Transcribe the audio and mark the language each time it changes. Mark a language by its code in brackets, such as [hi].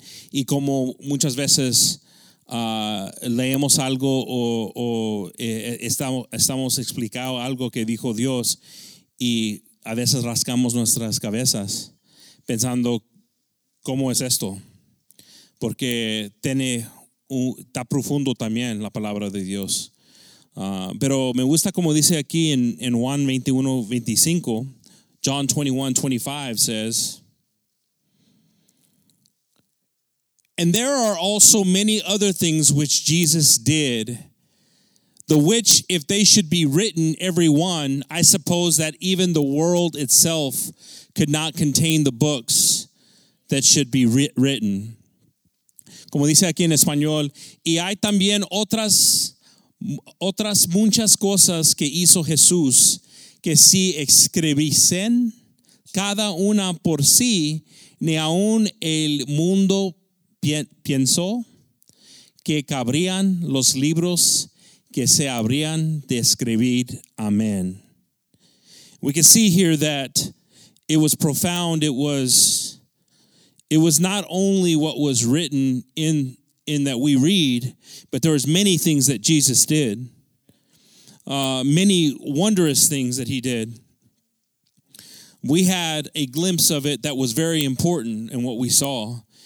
[es] Y como muchas veces leemos algo o estamos explicando algo que dijo Dios y a veces rascamos nuestras cabezas pensando, ¿cómo es esto? Porque está profundo también la palabra de Dios. Pero me gusta como dice aquí en Juan 21:25, [en] John 21:25 says, "And there are also many other things which Jesus did, the which, if they should be written every one, I suppose that even the world itself could not contain the books that should be written." [es] Como dice aquí en español, y hay también otras muchas cosas que hizo Jesús que si escribiesen cada una por sí, ni aún el mundo pensó que cabrían los libros que se habrían de escribir. Amén. [en] We can see here that it was profound. It was not only what was written in that we read, but there was many things that Jesus did. Many wondrous things that he did. We had a glimpse of it that was very important in what we saw.